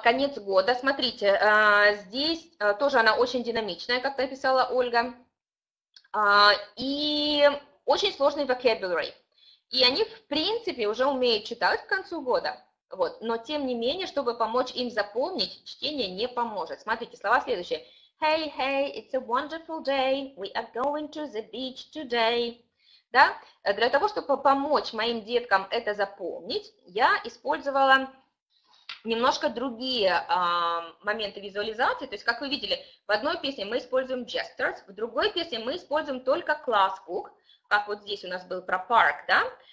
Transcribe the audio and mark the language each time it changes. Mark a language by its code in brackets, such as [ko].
[ru] Конец года, смотрите, здесь тоже она очень динамичная, как написала Ольга. И очень сложный vocabulary. И они, в принципе, уже умеют читать к концу года. Вот, но тем не менее, чтобы помочь им запомнить, чтение не поможет. Смотрите, слова следующие. [en] Hey, hey, it's a wonderful day, we are going to the beach today. [ru] Да, для того, чтобы помочь моим деткам это запомнить, я использовала немножко другие моменты визуализации. То есть, как вы видели, в одной песне мы используем gestures, в другой песне мы используем только classbook, как вот здесь у нас был про парк, да.